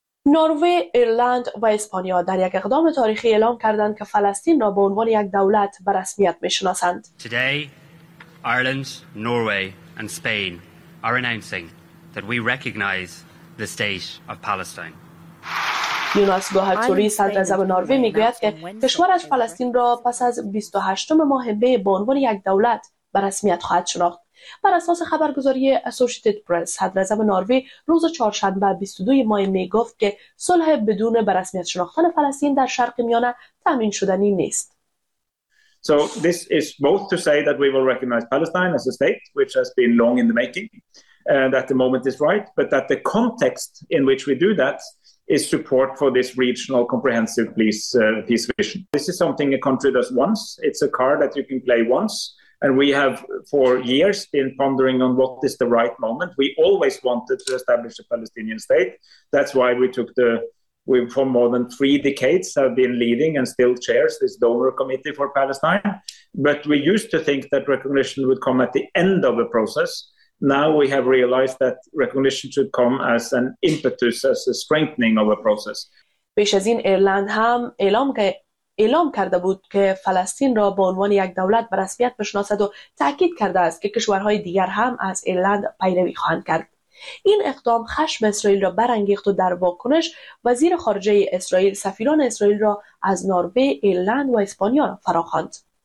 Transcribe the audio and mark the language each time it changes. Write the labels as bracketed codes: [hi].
[fa] نروژ، ایرلند و اسپانیا در یک اقدام تاریخی اعلام کردند که فلسطین را به عنوان یک دولت به رسمیت می‌شناسند. [en] Today, Ireland, Norway and Spain are announcing that we recognize the state of Palestine. [fa] یوناس گوهرتوری صدر اعظم نروژ می‌گوید که کشورش فلسطین را پس از 28 ماه مه به عنوان یک دولت به رسمیت خواهد شناخت. بر اساس خبرگزاری اسوسییتد پرس، صدراعظم نروژ روز چهارشنبه 22 ماه می گفت که صلح بدون به رسمیت شناختن فلسطین در شرق میانه تضمین شدنی نیست. [en] So this is both to say that we will recognize Palestine as a state which has been long in the making and that the moment is right, but that the context in which we do that is support for this regional comprehensive peace vision. This is something a country does once, it's a card that you can play once. And we have for years been pondering on what is the right moment. We always wanted to establish a Palestinian state. That's why we for more than three decades have been leading and still chairs this donor committee for Palestine. But we used to think that recognition would come at the end of a process. Now we have realized that recognition should come as an impetus, as a strengthening of a process. [fa] پیش از این ایرلند هم اعلام کرده بود که فلسطین را به عنوان یک دولت به رسمیت بشناسد و تاکید کرده است که کشورهای دیگر هم از ایرلند پیروی خواهند کرد. این اقدام خشم اسرائیل را برانگیخت و در واکنش وزیر خارجه اسرائیل سفیران اسرائیل را از نروژ، ایرلند و اسپانیا را فراخواند.